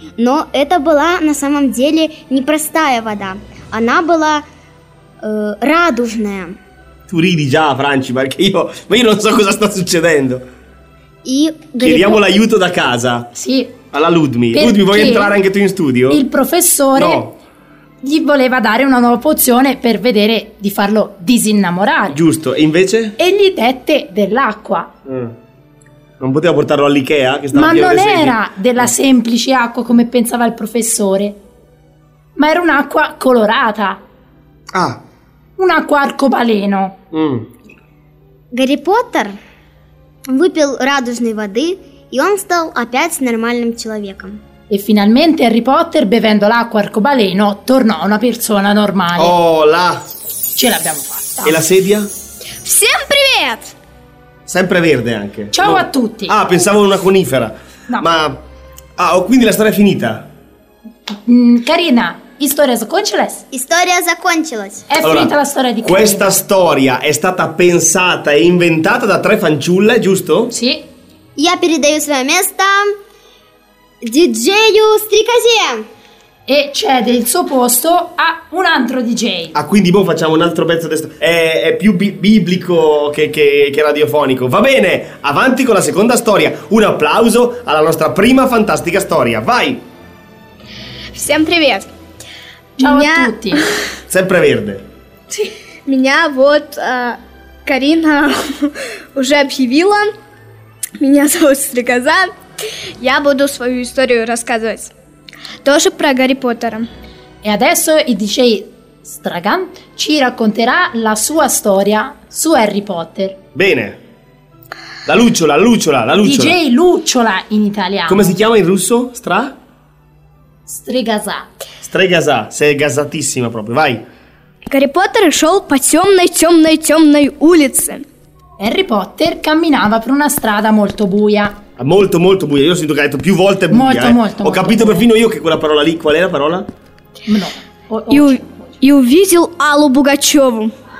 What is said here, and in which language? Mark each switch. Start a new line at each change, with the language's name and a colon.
Russian: Но это была на самом деле не простая вода, она была радужная.
Italian: Tu ridi già, Franci, perché io non so cosa sta succedendo. Chiediamo l'aiuto da casa. Sì. Alla Ludmi. Ludmi, vuoi entrare anche tu in studio? Il professore no. gli voleva dare una nuova pozione per vedere di farlo disinnamorare. Giusto, e invece? E gli dette dell'acqua. Non poteva portarlo all'IKEA? Che stava, ma non era della semplice acqua come pensava il professore, ma era un'acqua colorata. Ah. Un'acqua arcobaleno.
Russian: Гаррі Поттер выпил радужной воды, и он стал опять нормальным человеком.
Italian: E finalmente Harry Potter, bevendo l'acqua arcobaleno, tornò una persona normale. Oh, là! Ce l'abbiamo fatta. E la sedia?
Russian: Всем привет!
Italian: Sempre verde anche. Ciao a tutti. Ah, pensavo una conifera. No. Ma... Ah, quindi la storia è finita.
Russian: Carina, история закончилась? История закончилась.
Italian: È allora, finita la storia di Carina. Questa storia è stata pensata e inventata da tre fanciulle, giusto? Sì.
Russian: Я передаю свое место... DJ-у Стрекозе.
Italian: E cede il suo posto a un altro DJ. Ah, quindi boh, facciamo un altro pezzo destro. È più biblico che radiofonico. Va bene, avanti con la seconda storia. Un applauso alla nostra prima fantastica storia. Vai!
Russian: Всем привет!
Italian: Ciao a tutti! Sempre verde. Sì.
Russian: Меня вот Карина уже объявила. Меня зовут Стрекоза. Я буду свою историю рассказывать. Тоже про Гарри Поттера.
Italian: E adesso il DJ Stragan ci racconterà la sua storia su Harry Potter. Bene. La lucciola, la lucciola, la lucciola. DJ Lucciola in italiano. Come si chiama in russo? Stra?
Russian: Стрегоза.
Italian: Стрегоза, sei gasatissima proprio, vai.
Russian: Гарри Поттер шел по темной, темной, темной улице.
Italian: Harry Potter camminava per una strada molto buia. Molto, molto buia. Io sento che ha detto più volte buia. Molto, molto. Ho capito perfino io che quella parola lì, qual è la parola? No. Io vidi Аллу Пугачёву.